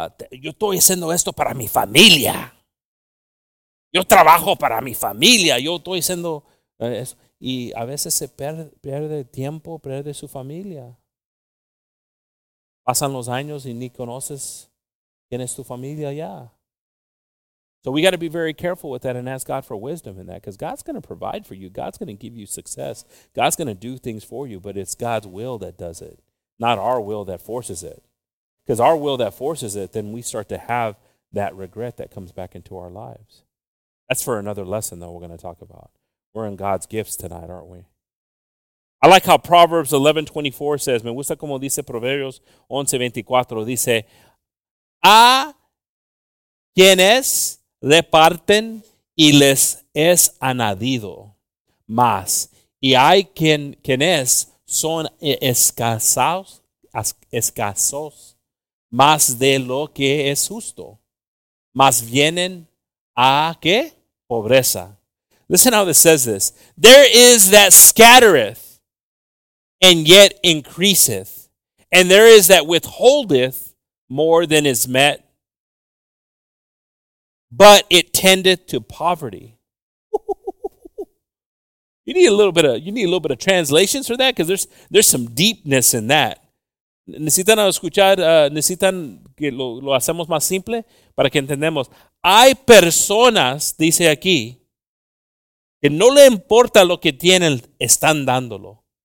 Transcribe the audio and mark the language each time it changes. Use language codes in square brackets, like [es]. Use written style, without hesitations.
[es] Yo estoy haciendo esto para mi familia. Yo trabajo para mi familia. Yo estoy haciendo eso. Y a veces se pierde tiempo, pierde su familia. Pasan los años y ni conoces quién es tu familia ya. [en] So we got to be very careful with that and ask God for wisdom in that, because God's going to provide for you. God's going to give you success. God's going to do things for you, but it's God's will that does it, not our will that forces it. Because our will that forces it, then we start to have that regret that comes back into our lives. That's for another lesson, though, we're going to talk about. We're in God's gifts tonight, aren't we? I like how Proverbs 11:24 says, [es] me gusta como dice Proverbios 11:24, dice, a quienes reparten y les es añadido más, y hay quienes son escasos más de lo que es justo, más vienen a qué pobreza. [en] Listen how this says this. There is that scattereth and yet increaseth, and there is that withholdeth more than is met, but it tendeth to poverty. you need a little bit of translations for that, because there's some deepness in that. [es] Necesitan escuchar, necesitan que lo hacemos más simple para que entendamos. Hay personas, dice aquí, que no le importa lo que tienen, están dándolo.